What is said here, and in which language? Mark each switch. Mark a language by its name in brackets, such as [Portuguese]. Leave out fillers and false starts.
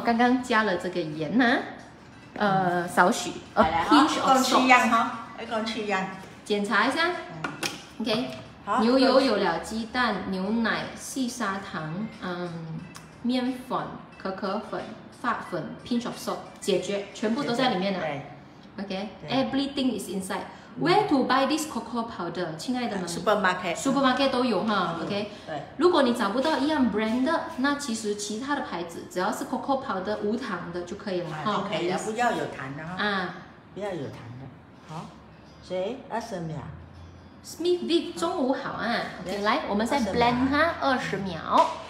[Chinese] 刚刚加了这个盐呢、啊，少许 ， [English] a pinch of salt [Chinese] 哈，一共七样，检查一下 ，OK。牛油有了，鸡蛋、牛奶、细砂糖、面粉、可可粉、发粉 ， [English] pinch of salt， [Chinese] 解决，全部都在里面了。 [English] OK， everything is inside. Where to buy this cocoa powder, [Chinese] 亲爱的们 [English] ？Supermarket， [Chinese] supermarket 都有哈。 [English] OK， [Chinese] 对。如果你找不到一样 brand 的，那其实其他的牌子，只要是 cocoa powder 无糖的就可以了哈。 OK， 不要有糖的哈。啊，不要有糖的。好，谁？阿森米啊。 Smith Vip 中午好啊 ，OK， 来，我们再 blend 它20秒，